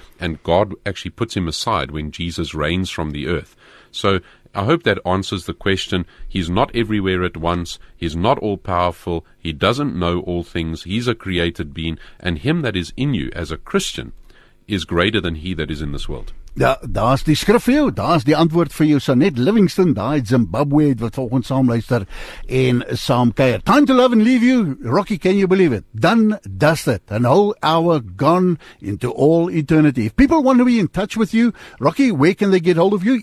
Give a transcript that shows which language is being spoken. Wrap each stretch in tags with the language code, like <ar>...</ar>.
<en>And God actually puts him aside when Jesus reigns from the earth. So I hope that answers the question. He's not everywhere at once. He's not all powerful. He doesn't know all things. He's a created being. And him that is in you as a Christian is greater than he that is in this world.</en> <af>Ja, daar's die skrif vir jou, daar's die antwoord vir jou. Sanet Livingston, daai Zimbabwe het wat volgens saam luister en saam kuier.</af> <en>Time to love and leave you, Rocky, can you believe it? Done, dusted, an whole hour gone into all eternity. If people want to be in touch with you, Rocky, where can they get hold of you?</en>